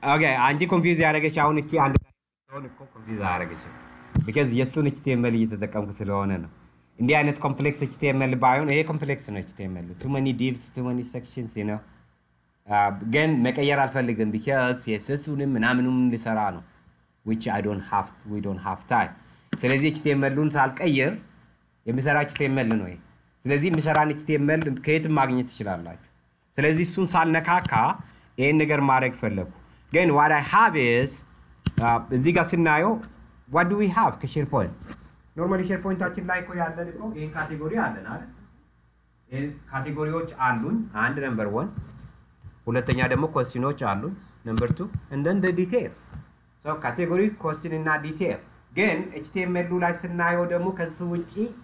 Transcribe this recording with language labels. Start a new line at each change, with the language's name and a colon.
Amharic: okay, አንቺ confused ያረገሽ አሁን እቺ አንድ ሆነ እኮ confused ያረገሽ because የሱን HTML እየተጠቀምኩ ስለሆነ ነው። እንዴ አይነት complex HTML ባይሆን ይሄ complex ነው HTML.
English: Too many divs, too many sections, you know.
Amharic: ግን መቀየር አልፈልግም because የሱን ምናምንም ልሰራ ነው
English: which we don't have time.
Amharic: ስለዚህ HTMLን ሳልቀየር የምሰራ HTML ነው ይሄ። ስለዚህ የምሰራን HTML ከየት ማግኘት ይችላል? ስለዚህ እሱን ሳልነካካ ይሄን ነገር ማድረግ ፈለኩ ግን
English: what I have is
Amharic: እዚህ ጋር ስናዩ
English: what do we have
Amharic: ከSharePoint normally SharePoint አችን ላይ ቆ ያለን እኮ ይሄን ካቴጎሪ አለን አይደል ይሄን ካቴጎሪዎች አሉን አንድ number 1 ሁለተኛ ደግሞ questions አሉን
English: number 2 and then the detail so category question
Amharic: እና detail ግን html ላይ ስናዩ ደግሞ ከሱ ውጪ